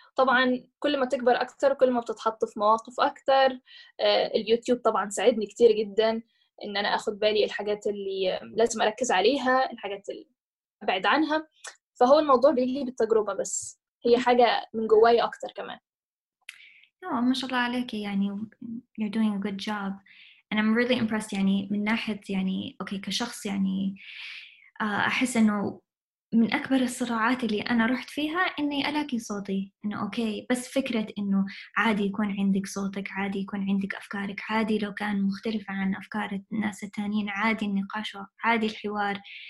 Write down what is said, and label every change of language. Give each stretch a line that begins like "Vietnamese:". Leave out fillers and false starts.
Arabic: طبعاً كل ما تكبر أكتر، كل ما بتتحط في مواقف أكتر، اليوتيوب طبعاً ساعدني كتير جداً أن أنا أخذ بالي الحاجات اللي لازم أركز عليها، الحاجات اللي أبعد عنها. فهو الموضوع بيجي بالتجربة، بس هي حاجة من جواي أكتر كمان. أوه، ما شاء الله عليك، يعني
English: you're doing a good job and I'm really impressed.
Arabic: يعني من ناحية يعني أوكي كشخص، يعني أحس أنه من أكبر الصراعات اللي أنا رحت فيها أني ألاقي صوتي، أنه أوكي بس فكرة أنه عادي يكون عندك صوتك، عادي يكون عندك أفكارك، عادي لو كان مختلف عن أفكار الناس التانيين، عادي النقاش، عادي الحوار.